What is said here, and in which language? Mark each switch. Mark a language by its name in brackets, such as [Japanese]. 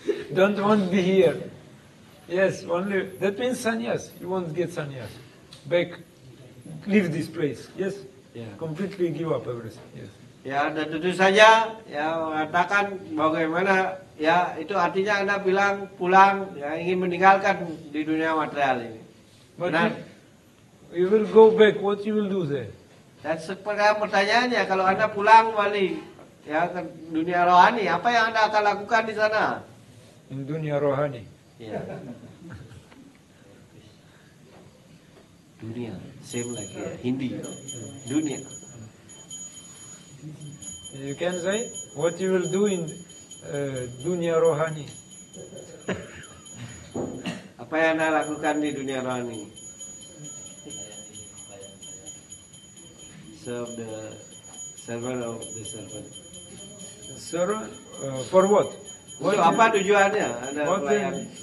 [English] Don't want to be here. Yes, only that means sannyas. You want to get sannyas. Back, leave this place. Yes. Yeah. Completely give up everything. Yes. [Indonesian] Ya, dan tentu saja ya mengatakan bagaimana ya itu artinya Anda bilang pulang ya ingin meninggalkan di dunia material ini. Benar. [English] You will go back, what you will do there? [Indonesian] Dan seperti pertanyaannya, kalau Anda pulang kembali ya ke dunia rohani, apa yang Anda akan lakukan di sana? In dunia rohani. Ya. [English] Dunia, same like Hindi. Dunia. You can say what you will do in [Indonesian] dunia rohani. Apa yang Anda lakukan di dunia rohani? [English] Serve the servant of the servant. Servant for what? [Indonesian] So apa tujuannya Anda melayani?